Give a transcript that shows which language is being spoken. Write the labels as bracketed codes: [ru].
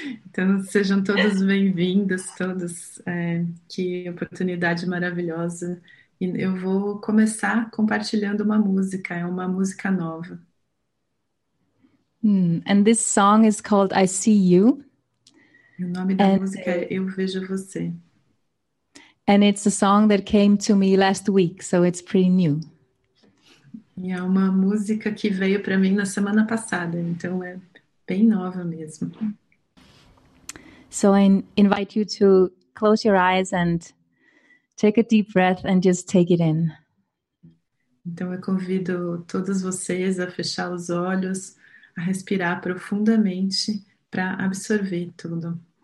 [pt] Então, sejam todos bem-vindos, todos. Que oportunidade maravilhosa. E eu vou começar compartilhando uma música. É uma música nova. [en] And this song is called I See You. [pt] O nome da música é Eu Vejo Você. [en] And it's a song that came to me last week, so it's pretty new. [pt] E é uma música que veio para mim na semana passada, então é bem nova mesmo. [en] So I invite you to close your eyes and take a deep breath and just take it in. [pt] Então eu convido todos vocês a fechar os olhos, a respirar profundamente para absorver tudo.